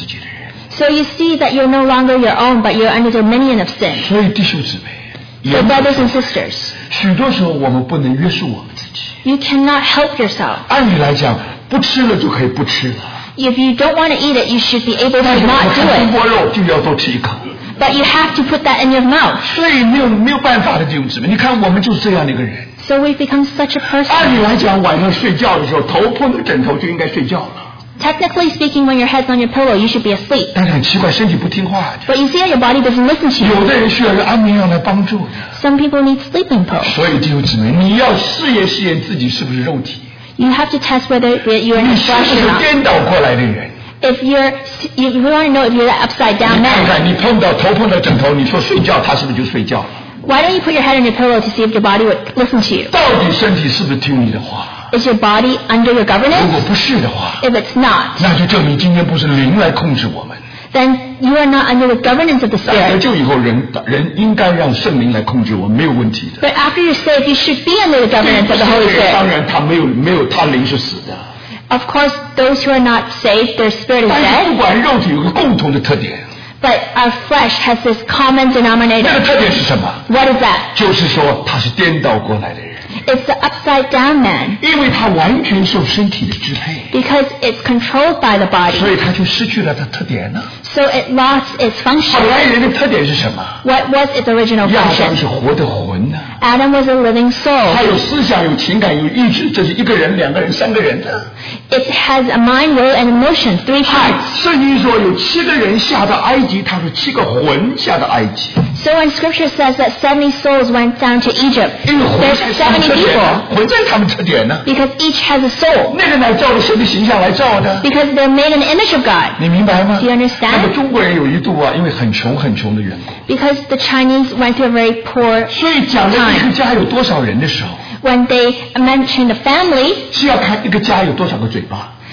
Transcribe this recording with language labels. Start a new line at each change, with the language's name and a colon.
English: in place, so you see that you're no longer your own, but you're under the dominion of sin.
Chinese: So, 弟兄姊妹,
English: so brothers and sisters,
Chinese: 许多时候我们不能约束我们自己。
English: You cannot help yourself.
Chinese: 按理来讲，不吃了就可以不吃了。
English: If you don't want to eat it, you should be able to not do it.
Chinese: 但是我们吃红锅肉就要多吃一口。
English: But you have to put that in your mouth.
Chinese: 所以没有办法的，弟兄姊妹，你看我们就是这样的一个人。
English: So we've become such a person.
Chinese: 按理来讲，晚上睡觉的时候，头碰到枕头就应该睡觉了。
English: Technically speaking, when your head's on your pillow, you should be asleep.
Chinese: 但是很奇怪，身体不听话的。
English: But you see that your body doesn't listen to you.
Chinese: 有的人需要一个安眠药来帮助的。
English: Some people need sleeping pills.
Chinese: 所以弟兄姊妹，你要试验试验自己是不是肉体。
English: You have to test whether you are flesh or not.
Chinese: 你是不是颠倒过来的人？
English: If you're, you want to know if you're that upside down man.
Chinese: 你看看，你碰到头碰到枕头，你说睡觉，他是不是就睡觉了？
English: Why don't you put your head in your pillow to see if your body would listen to you?
Chinese: 到底身体是不是听你的话？
English: Is your body under your governance?
Chinese: 如果不是的话，
English: If it's not,
Chinese: 那就证明今天不是灵来控制我们。
English: Then you are not under the governance of the spirit.
Chinese: 得救以后，人应该让圣灵来控制我们，没有问题的。
English: But after you're saved, you should be under the governance of the Holy Spirit.
Chinese: 当然，他没有，他灵是死的。
English: Of course, those who are not saved, their spirit is dead. But our flesh has this common denominator. What is that?
Chinese: 就是说他是颠倒过来的人。
English: It's the upside down man.
Chinese: 因为他完全受身体的支配。
English: Because it's controlled by the body.
Chinese: 所以他就失去了他特点了。
English: So it lost its function.
Chinese: 本来人的特点是什么？
English: What was its original function?
Chinese: 亚当是活的魂呢。
English: Adam was a living soul.
Chinese: 他有思想，有情感，有意志，这是一个人，两个人，三个人的。
English: It has a mind, will, and emotion, three parts.
Chinese: 圣经说有七个人下到埃及，他说七个魂下到埃及。
English: So when scripture says that 70 souls went down to Egypt, there's 70 people.
Chinese: 魂在他们特点呢？
English: Because each has a soul.
Chinese: 那个乃照着神的形象来造的。
English: Because they're made in the image of God.
Chinese: 你明白吗？
English: Do you understand?
Chinese: 那么中国人有一度啊，因为很穷很穷的缘故。
English: Because the Chinese went through a very poor time.
Chinese: 所以讲的一个家有多少人的时候，
English: When they mentioned the family,
Chinese: 是要看一个家有多少个嘴巴。